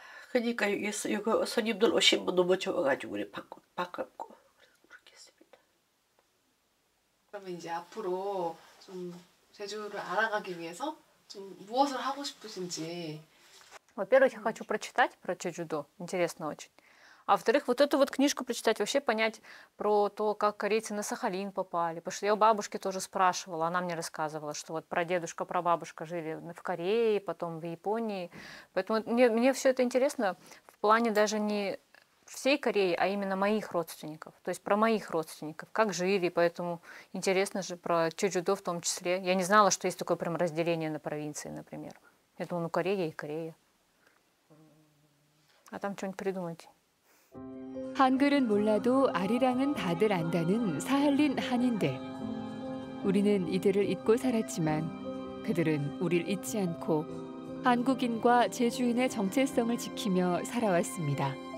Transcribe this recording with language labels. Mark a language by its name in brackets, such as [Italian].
[Korean] 그러니까 여기서 여기 손님들 오신 분 너무 좋아가지고 우리 반갑고 그렇게 했습니다. 그러면 이제 앞으로 좀 제주를 알아가기 위해서 좀 무엇을 하고 싶으신지. [Russian] Во-первых, я хочу прочитать про Чеджудо. Интересно очень. А во-вторых, вот эту вот книжку прочитать, вообще понять про то, как корейцы на Сахалин попали. Потому что я у бабушки тоже спрашивала, она мне рассказывала, что вот прадедушка, прабабушка жили в Корее, потом в Японии. Поэтому мне все это интересно в плане даже не всей Кореи, а именно моих родственников. То есть про моих родственников, как жили. Поэтому интересно же про Чеджудо в том числе. Я не знала, что есть такое прям разделение на провинции, например. Я думала, ну Корея и Корея. А там что-нибудь придумать. [Korean] 한글은 몰라도 아리랑은 다들 안다는 사할린 한인들. 우리는 이들을 잊고 살았지만 그들은 우릴 잊지 않고 한국인과 제주인의 정체성을 지키며 살아왔습니다.